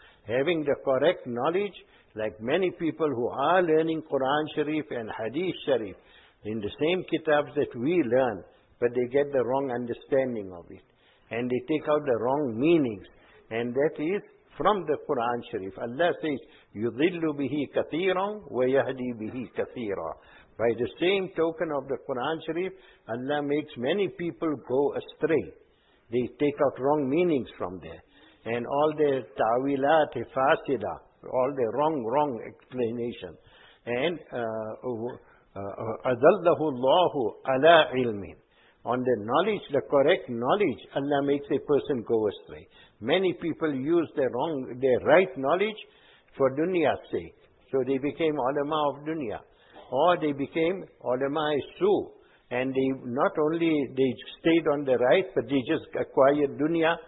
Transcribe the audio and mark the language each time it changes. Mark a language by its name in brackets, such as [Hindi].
[English] Having the correct knowledge, like many people who are learning Quran Sharif and Hadith Sharif, in the same kitabs that we learn, but they get the wrong understanding of it. And they take out the wrong meanings. And that is from the Quran Sharif. Allah says, [Arabic] يُضِلُّ بِهِ كَثِيرًا وَيَهْدِي بِهِ كَثِيرًا. [English] By the same token of the Quran Sharif, Allah makes many people go astray. They take out wrong meanings from there. And all the ta'wilat fasida, all the wrong explanation. [Arabic] And أَذَلَّهُ اللَّهُ عَلَىٰ عِلْمٍ. [English] On the knowledge, the correct knowledge, Allah makes a person go astray. Many people use the right knowledge for dunya's sake. So they became ulama of dunya. Or they became ulama-i-su. And they not only they stayed on the right, but they just acquired dunya.